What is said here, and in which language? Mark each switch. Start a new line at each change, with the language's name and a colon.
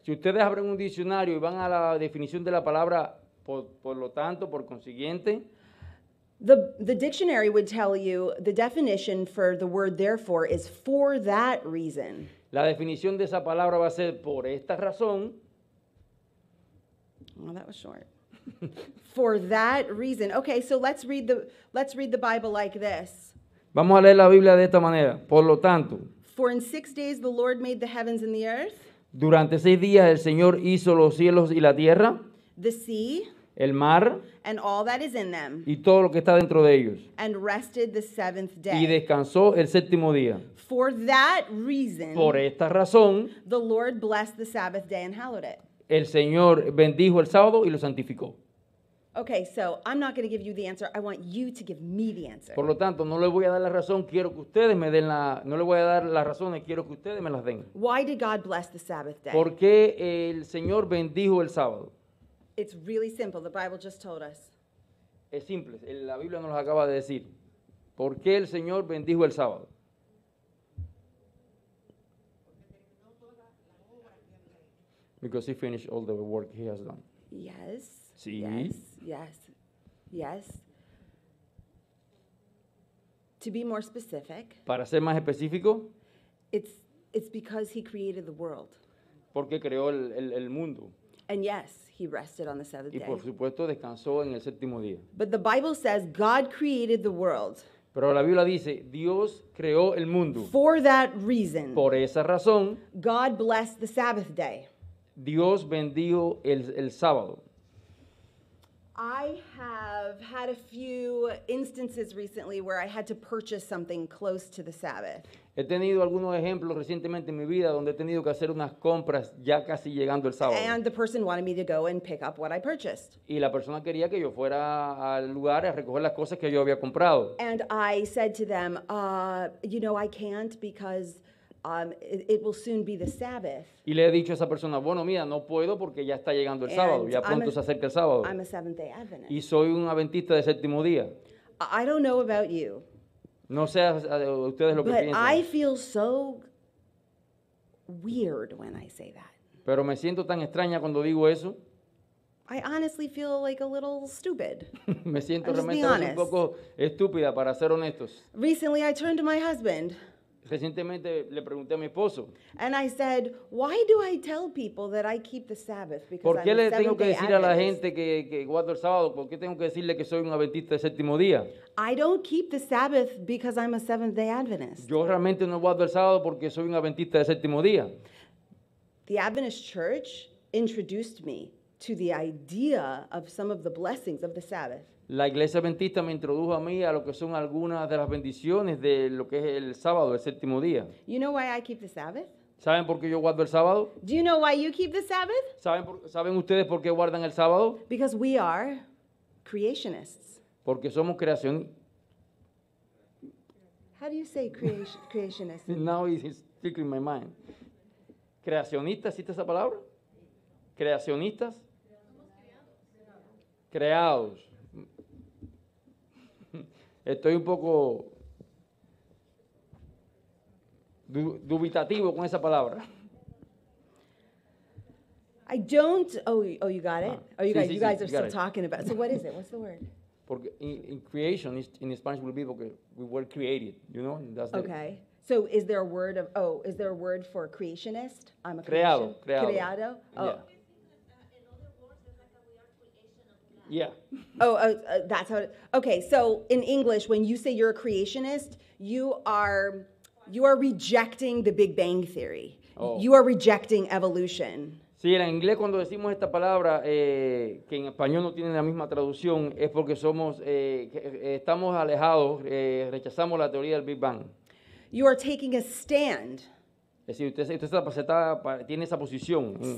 Spanish: Si ustedes abren un diccionario y van a la definición de la palabra por lo tanto, por consiguiente,
English: The dictionary would tell you the definition for the word therefore is for that reason.
Spanish: La definición de esa palabra va a ser por esta razón.
English: Well, that was short. For that reason. Okay, so let's read the Bible like this.
Spanish: Vamos a leer la Biblia de esta manera. Por lo tanto.
English: For in 6 days the Lord made the heavens and the earth.
Spanish: Durante 6 días el Señor hizo los cielos y la tierra.
English: The sea.
Spanish: El mar.
English: And all that is in them.
Spanish: Y todo lo que está dentro de ellos.
English: And rested the seventh day.
Spanish: Y descansó el séptimo día.
English: For that reason.
Spanish: Por esta razón.
English: The Lord blessed the Sabbath day and hallowed it.
Spanish: El Señor bendijo el sábado y lo santificó.
English: Okay, so I'm not going to give you the answer. I want you to give me the answer.
Spanish: Por lo tanto, no le voy a dar la razón. Quiero que ustedes me den la... No le voy a dar las razones. Quiero que ustedes me las den.
English: Why did God bless the Sabbath day?
Spanish: ¿Por qué el Señor bendijo el sábado?
English: It's really simple. The Bible just told us.
Spanish: Es simple. La Biblia nos acaba de decir. ¿Por qué el Señor bendijo el sábado?
English: Because he finished all the work he has done. Yes.
Spanish: Sí.
English: Yes. Yes. Yes. To be more specific.
Spanish: Para ser más específico.
English: It's because he created the world.
Spanish: Porque creó el mundo.
English: And yes, he rested on the seventh day.
Spanish: Y por supuesto descansó en el séptimo día.
English: But the Bible says God created the world.
Spanish: Pero la Biblia dice, Dios creó el mundo.
English: For that reason.
Spanish: Por esa razón.
English: God blessed the Sabbath day.
Spanish: Dios bendijo el sábado.
English: I have had a few instances recently where I had to purchase something close to the Sabbath.
Spanish: He tenido algunos ejemplos recientemente en mi vida donde he tenido que hacer unas compras ya casi llegando el sábado.
English: And the person wanted me to go and pick up what I purchased.
Spanish: Y la persona quería que yo fuera al lugar a recoger las cosas que yo había comprado.
English: And I said to them, you know, I can't because... It will soon be the Sabbath.
Spanish: Y le he dicho a esa persona, bueno, mira, no puedo porque ya está llegando el sábado, ya pronto se acerca el sábado.
English: I'm a Seventh-day Adventist.
Spanish: Y soy un adventista de séptimo día.
English: I don't know about you.
Spanish: No sé ustedes lo que piensan.
English: But I feel so weird when I say that.
Spanish: Pero me siento tan extraña cuando digo eso.
English: I honestly feel like a little stupid.
Spanish: Me siento realmente un poco estúpida, para ser honestos.
English: Recently, I turned to my husband.
Spanish: Recientemente le pregunté a mi esposo.
English: And I said, why do I tell people that I keep the Sabbath? Because
Spanish: ¿por qué le tengo que decir a la gente que guardo el sábado? ¿Por qué tengo que decirle que soy un adventista de séptimo día?
English: I don't keep the Sabbath because I'm a Seventh-day Adventist.
Spanish: Yo realmente no guardo el sábado porque soy un adventista de séptimo día.
English: The Adventist Church introduced me to the idea of some of the blessings of the Sabbath.
Spanish: La iglesia adventista me introdujo a mí a lo que son algunas de las bendiciones de lo que es el sábado, el séptimo día.
English: You know why I keep the Sabbath?
Spanish: ¿Saben por qué yo guardo el sábado?
English: Do you know why you keep the Sabbath?
Spanish: ¿Saben ustedes por qué guardan el sábado?
English: Because we are creationists.
Spanish: Porque somos creación.
English: How do you say creationist? Now it's sticking my mind.
Spanish: ¿Creacionistas, existe esa palabra? ¿Creacionistas? Creados. Estoy un poco dubitativo con esa palabra.
English: I don't. Oh, you got it. Oh, you guys are still it. Talking about. So what is it? What's the word? Porque in creation in Spanish will be porque we were created. You know, that's the. Okay. So is there a word of? Oh, is there a word for creationist? I'm a
Spanish: creado.
English: Creation.
Spanish: Creado.
English: Oh. Yeah. Yeah. Oh, that's how it, okay, so in English, when you say you're a creationist, you are rejecting the Big Bang Theory. Oh. You are rejecting evolution.
Spanish: Sí, en inglés cuando decimos esta palabra, que en español no tiene la misma traducción, es porque somos, estamos alejados, rechazamos la teoría del Big Bang.
English: You are taking a stand.
Spanish: Es decir, usted tiene esa posición.